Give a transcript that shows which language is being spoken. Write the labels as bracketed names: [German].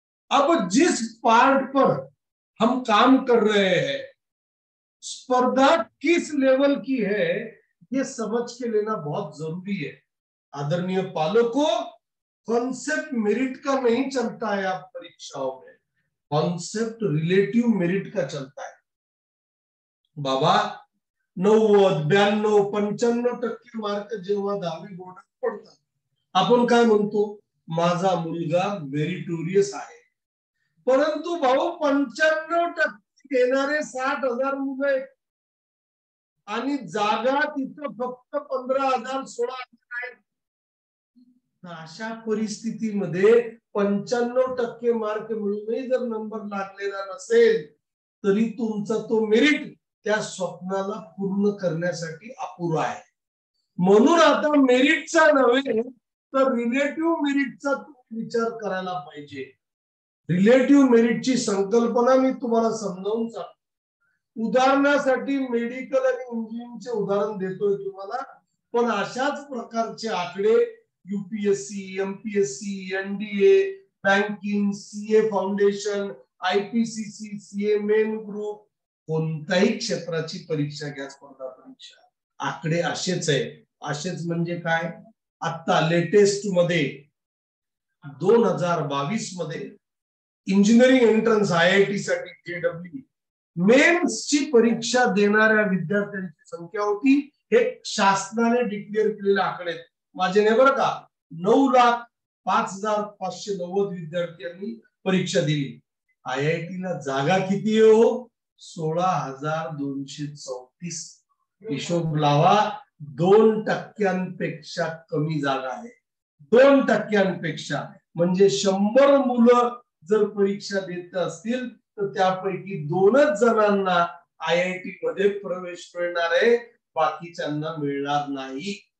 [Hindi] अब जिस पार्ट पर हम काम कर रहे हैं, स्पर्धा किस लेवल की है, ये समझ के लेना बहुत जरूरी है. आदरणीय पालकों, कॉन्सेप्ट मेरिट का नहीं चलता है आप परीक्षाओं में, कॉन्सेप्ट रिलेटिव मेरिट का चलता है. [Marathi] बाबा 90, 92, 95% मार्क जेव्हा दहावी बोर्डात पडतात आपण काय म्हणतो, माझा मुलगा मेरिटोरियस आहे. परंतु भाऊ 95% येणारे 60,000 मुलं आहेत आणि जागा तिथं फक्त 15,000-16,000 आहेत. अशा परिस्थितीमध्ये 95% मार्क मिळूनही जर नंबर लागलेला नसेल तरी तुमचा तो मेरिट त्या स्वप्नाला पूर्ण करण्यासाठी अपुरा आहे. म्हणून आता मेरिटचा नव्हे तर रिलेटिव्ह मेरिटचा विचार करायला पाहिजे. रिलेटिव्ह मेरिटची संकल्पना मी तुम्हाला समजावून सांगतो. उदाहरणासाठी मेडिकल आणि इंजिनिअरिंगचे उदाहरण देतोय तुम्हाला, पण अशाच प्रकारचे आकडे UPSC, MPSC, NDA, banking, CA foundation, IPCC, CA main group, कोणत्याही क्षेत्राची परीक्षा घ्या, स्पर्धा परीक्षा, आकडे असेच आहे. असेच म्हणजे काय, आता लेटेस्ट मध्ये 2022 मध्ये इंजिनिअरिंग एंट्रन्स IIT साठी JEE मेन्स ची परीक्षा देणाऱ्या विद्यार्थ्यांची संख्या होती, हे शासनाने डिक्लेअर केलेले आकडे माझे नाही बरं का, 9,05,590 विद्यार्थ्यांनी परीक्षा दिली. IIT ला जागा किती हो, 16,234. हिशोब लावा, 2% कमी जागा आहे. 2% म्हणजे 100 मुलं जर परीक्षा देत असतील तर त्यापैकी 2 जणांना IIT मध्ये प्रवेश मिळणार आहे, बाकीच्यांना मिळणार नाही.